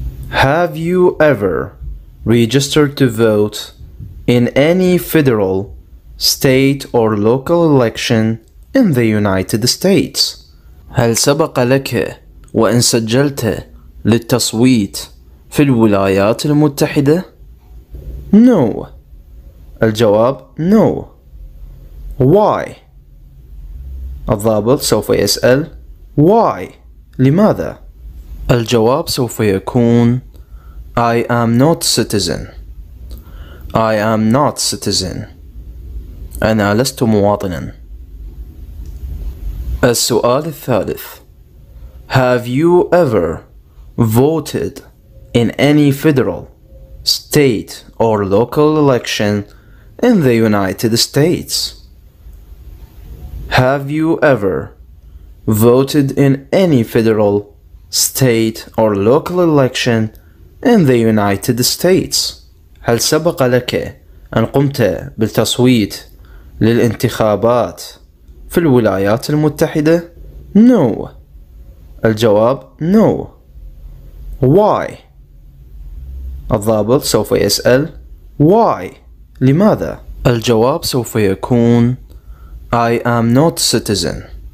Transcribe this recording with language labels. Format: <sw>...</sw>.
<en>Have you ever registered to vote in any federal, state or local election in the United States?</en> <ar>هل سبق لك وأن سجلت للتصويت في الولايات المتحدة؟</ar> <en>No.</en> <ar>الجواب</ar> <en>No. Why؟</en> <ar>الضابط سوف يسأل Why؟ لماذا؟ الجواب سوف يكون</ar> <en>I am not citizen. I am not citizen.</en> <ar>أنا لست مواطنا. السؤال الثالث:</ar> <en>Have you ever voted in any federal, state or local election in the United States? Have you ever voted in any federal, state or local election in the United States?</en> <ar>هل سبق لك أن قمت بالتصويت للانتخابات في الولايات المتحدة؟</ar> <en>No.</en> <ar>الجواب</ar> <en>No. Why؟</en> <ar>الضابط سوف يسأل Why؟ لماذا؟ الجواب سوف يكون</ar> <en>I am not citizen.</en>